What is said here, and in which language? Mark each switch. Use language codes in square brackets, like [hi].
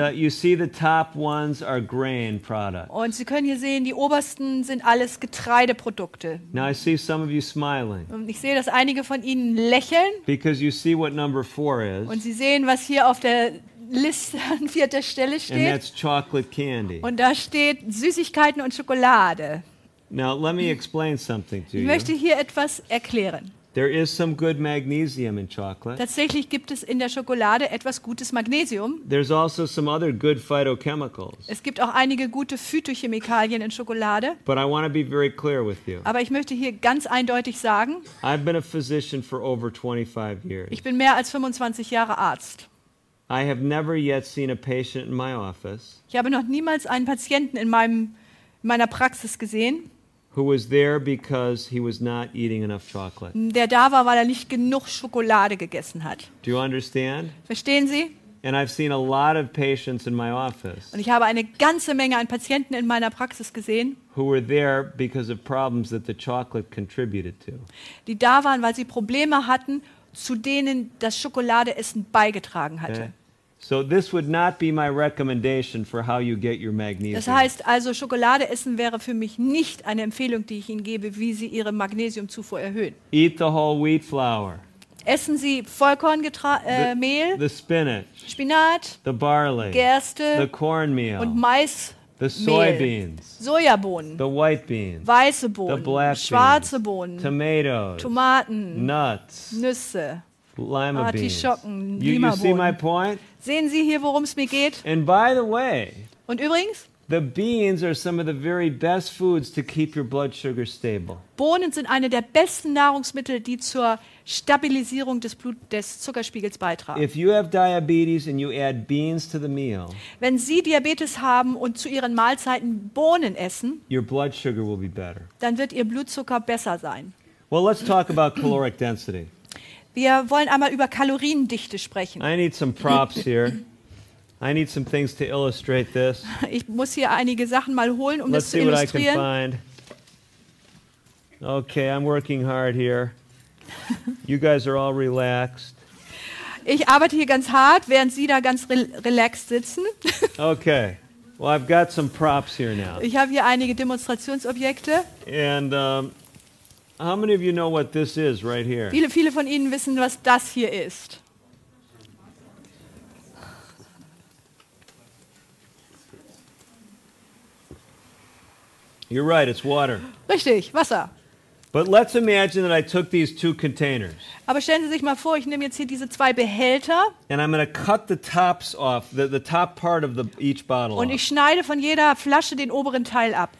[en] And you see the top ones are grain products. [de] Und Sie können hier sehen, die obersten sind alles Getreideprodukte. [en] Now I see some of you smiling. [de] Und ich sehe, dass einige von Ihnen lächeln. [en] Because you see what number four is. [de] Und Sie sehen, was hier auf der Liste an vierter Stelle steht. [en] And that's chocolate candy. [de] Und da steht Süßigkeiten und Schokolade. [en] Now let me explain something to you. [de] Ich möchte hier etwas erklären. [en] There is some good magnesium in chocolate. [de] Tatsächlich gibt es in der Schokolade etwas gutes Magnesium. [en] There's also some other good phytochemicals. [de] Es gibt auch einige gute Phytochemikalien in Schokolade. [en] But I want to be very clear with you. [de] Aber ich möchte hier ganz eindeutig sagen, [en] I've been a physician for over 25 years. [de] Ich bin mehr als 25 Jahre Arzt. [en] I have never yet seen a patient in my office. [de] Ich habe noch niemals einen Patienten in meiner Praxis gesehen. [en] Who was there because he was not eating enough chocolate. [de] Der da war, weil er nicht genug Schokolade gegessen hat. [en] Do you understand? [de] Verstehen Sie? [en] And I've seen a lot of patients in my office. [de] Und ich habe eine ganze Menge an Patienten in meiner Praxis gesehen. [en] Who were there because of problems that the chocolate contributed to. [de] Die da waren, weil sie Probleme hatten, zu denen das Schokoladeessen beigetragen hatte. [en] Okay. So this would not be my recommendation for how you get your magnesium. [de] Das heißt also, Schokolade essen wäre für mich nicht eine Empfehlung, die ich Ihnen gebe, wie Sie Ihre Magnesiumzufuhr erhöhen. [en] Eat the whole wheat flour. [de] essen Sie Vollkornmehl, Spinat, [en] the barley, [de] Gerste, [en] the cornmeal, [de] und Mais. [en] The soybeans, [de] Sojabohnen, [en] the white beans, [de] weiße Bohnen, [en] the black beans, [de] schwarze Bohnen, [en] tomatoes, [de] Tomaten, [en] nuts, [de] Nüsse, [en] lima beans. [de] Artischocken, Lima-Bohnen. [en] You see my point? [de] Sehen Sie hier, worum es mir geht? [en] And by the way, [de] und übrigens, [en] the beans are some of the very best foods to keep your blood sugar stable. [de] Bohnen sind eine der besten Nahrungsmittel, die zur Stabilisierung des Zuckerspiegels beitragen. [en] If you have diabetes and you add beans to the meal, [de] wenn Sie Diabetes haben und zu Ihren Mahlzeiten Bohnen essen, [en] your blood sugar will be better. [de] Dann wird Ihr Blutzucker besser sein. [en] Well, let's talk about caloric density. [de] Wir wollen einmal über Kaloriendichte sprechen. [en] I need some props here. I need some things to illustrate this. [de] Ich muss hier einige Sachen mal holen, um [en] Let's [de] das zu illustrieren. [en] Let's see what I can find. Okay, I'm working hard here. You guys are all relaxed. [de] Ich arbeite hier ganz hart, während Sie da ganz relaxed sitzen. [en] Okay. Well, I've got some props here now. [de] Ich habe hier einige Demonstrationsobjekte. [en] And how many of you know what this is right here? [de] Viele von Ihnen wissen, was das hier ist. [en] You're right, it's water. [de] Richtig, Wasser. [en] But let's imagine that I took these two containers. [de] Aber stellen Sie sich mal vor, ich nehme jetzt hier diese zwei Behälter. [en] And I'm going to cut the tops off, the top part of each bottle. [de] Und ich schneide von jeder Flasche den oberen Teil ab.